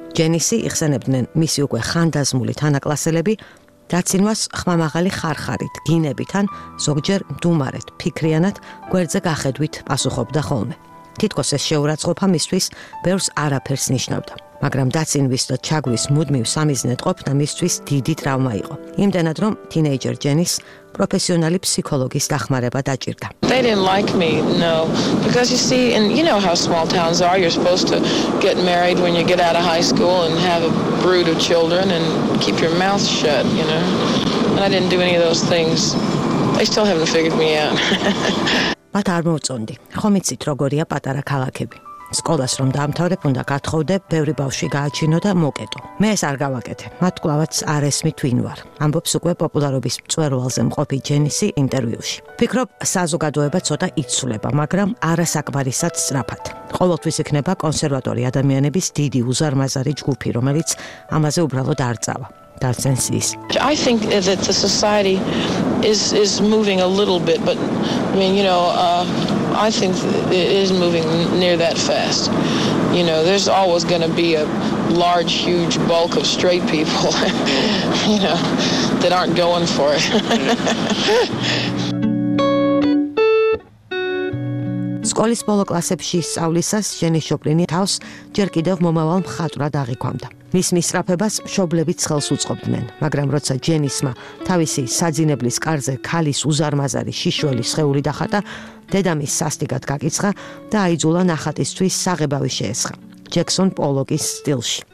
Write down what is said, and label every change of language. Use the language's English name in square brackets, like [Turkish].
[Georgian] ჯენისი იხსენებდნენ მისი უკვე ხანდაზმული თანაკლასელები დაცინვას ხმამაღალი ხარხარით, დინებით ან ზოგჯერ მდუმარედ, ფიქრიანად, გვერდზე გახედვით პასუხობდა ხოლმე. თითქოს ეს შეურაცხყოფა მისთვის ბევრს არაფერს ნიშნავდა. მაგრამ დაცინვის და ჩაგვის მუდმივ სამიზნედ ყოფნა მისთვის დიდი ტრავმა იყო. იმდენად რომ თინეიჯერ ჯენის პროფესიონალი ფსიქოლოგის დახმარება დაჭირდა. [English] They didn't like me, no, because you see, and you know how small towns are, you're supposed to get married when you get out of high school and have a brood of children and keep your mouth shut, you know. And I didn't do any of those things. They still haven't figured me out. [Georgian] მათ არ მოწონდი. ხომ იცით როგორია პატარა ქალაქები? სკოლას რომ დამთავრებ, უნდა გათხოვდე, ბევრი ბავშვი გააჩინო და მოკეტო. მე ეს არ გავაკეთე, მათ კლავაც არ ესმით ვინ ვარ. ამბობს უკვე პოპულარობის მწვერვალზე მყოფი ჯენისი ინტერვიუში. ფიქრობ, საზოგადოება ცოტა იცვლება, მაგრამ არასაკმარისად სწრაფად. ყოველთვის იქნება კონსერვატორი ადამიანების დიდი უზარმაზარი ჯგუფი, რომელიც ამაზე უბრალოდ არ წავა. Darcensis. [English] I think that the society is moving a little bit, but I mean, you know, I think it is moving near that fast. You know, there's always going to be a large, huge bulk of straight people, you know, that aren't going for it. [Georgian] სკოლის ბოლო კლასებში სწავლისას ჯენის შობლინი თავს ჯერ კიდევ მომავალ მხატვრად აღიქვამდა. მის მისწრაფებას მშობლებიც ხელს უწყობდნენ, მაგრამ როცა ჯენისმა თავისი საძინებლის კარზე ქალის უზარმაზარი შიშველი სხეული დახატა, დედამის სასტიკად გაკიცხა და აიძულა ნახატისთვის საღებავი შეესხა ჯექსონ პოლოკის სტილში.